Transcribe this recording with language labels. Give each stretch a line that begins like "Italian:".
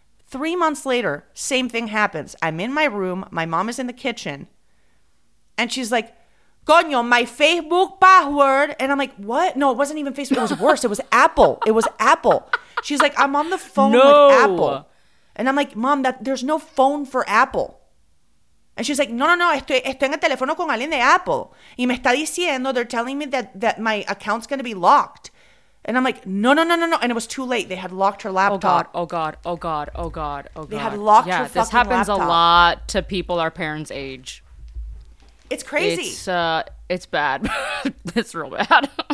English: 3 months later, same thing happens. I'm in my room. My mom is in the kitchen. And she's like, coño, my Facebook password. And I'm like, what? No, it wasn't even Facebook. It was worse. It was Apple. She's like, I'm on the phone with Apple. And I'm like, Mom, there's no phone for Apple. And she's like,
Spanish: no, estoy en el teléfono con alguien de Apple. Y me está diciendo,
English: they're telling me that my account's going to be locked. And I'm like, no. And it was too late. They had locked her laptop. Oh, God. They had locked her fucking laptop. Yeah, this happens a lot to people our parents' age. It's crazy. It's bad. It's real bad.